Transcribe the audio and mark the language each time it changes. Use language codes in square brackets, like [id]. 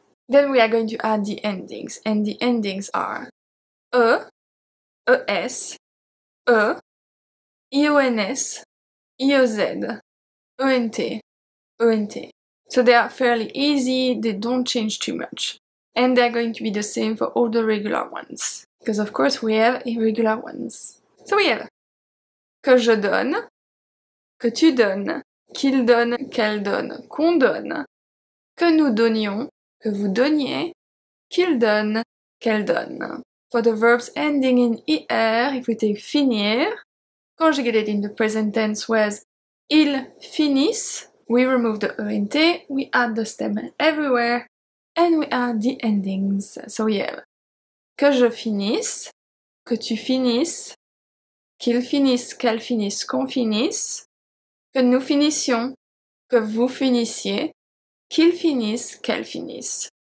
[en] Then we are going to add the endings, and the endings are E, E-S, E, I-O-N-S, I-O-Z, E-N-T, E-N-T. So they are fairly easy, they don't change too much. And they are going to be the same for all the regular ones. Because of course we have irregular ones. [fr] So we have que je donne, que tu donnes, qu'il donne, qu'elle donne, qu'on donne, que nous donnions, que vous donniez, qu'il donne, qu'elle donne. [en] For the verbs ending in ir, if we take finir, conjugated in the present tense was ils finissent, we remove the ent, we add the stem everywhere, and we add the endings. [fr] So we have que je finisse, que tu finisses, qu'il finisse, qu'elle finisse, qu'on finisse, que nous finissions, que vous finissiez, qu'il finisse, qu'elle finisse.